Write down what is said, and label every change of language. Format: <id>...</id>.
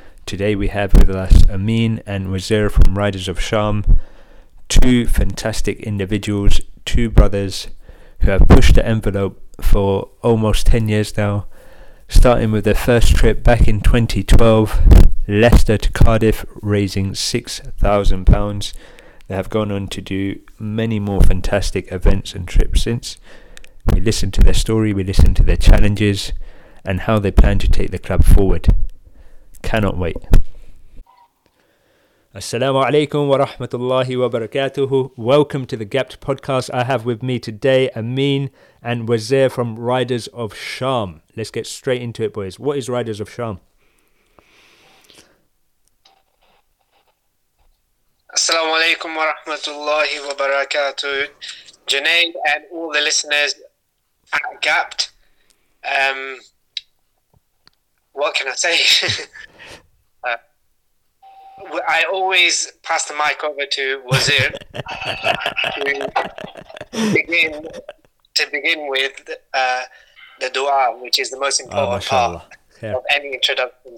<en>Today we have with us Amin and Wazir from Riders of Shaam, two fantastic individuals, two brothers who have pushed the envelope for almost 10 years now, starting with their first trip back in 2012, Leicester to Cardiff, raising £6,000. They have gone on to do many more fantastic events and trips since. We listen to their story, we listen to their challenges, and how they plan to take the club forward. Cannot wait.</en> <ar>Assalamu alaikum wa rahmatullahi wa barakatuhu.</ar> <en>Welcome to the Gapped podcast. I have with me today Amin and Wazir from Riders of Shaam. Let's get straight into it, boys. What is Riders of Shaam?</en> <ar>Assalamu alaikum wa rahmatullahi wa barakatuhu.</ar> <en>Janine and all the listeners at Gapped. What can I say? I always pass the mic over to Wazir to begin with the dua, which is the most important part of any introduction.</en>